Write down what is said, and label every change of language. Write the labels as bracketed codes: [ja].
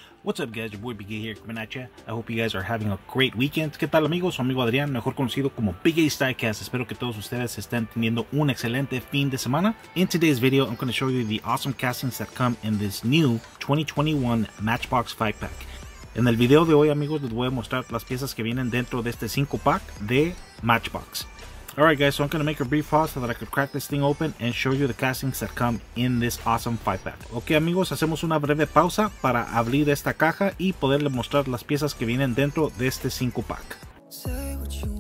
[en] What's up, guys? Your boy Big A here coming at you. I hope you guys are having a great weekend. [es] ¿Qué tal, amigos? Su amigo Adrián, mejor conocido como Big A's Diecast. Espero que todos ustedes estén teniendo un excelente fin de semana. [en] In today's video, I'm going to show you the awesome castings that come in this new 2021 Matchbox 5-pack. [es] En el video de hoy, amigos, les voy a mostrar las piezas que vienen dentro de este 5-pack de Matchbox. [en] Alright, guys, so I'm going to make a brief pause so that I could crack this thing open and show you the castings that come in this awesome 5-pack. [es] Ok, amigos, hacemos una breve pausa para abrir esta caja y poderle mostrar las piezas que vienen dentro de este 5-pack.